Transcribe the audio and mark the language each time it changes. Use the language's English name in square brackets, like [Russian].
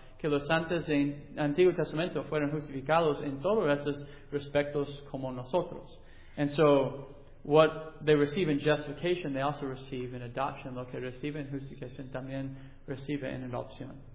[Spanish] Que los santos del Antiguo Testamento fueron justificados en todos estos respectos como nosotros. [English] And so, what they receive in justification, they also receive in adoption. [Spanish] Lo que reciben en justificación también recibe en adopción.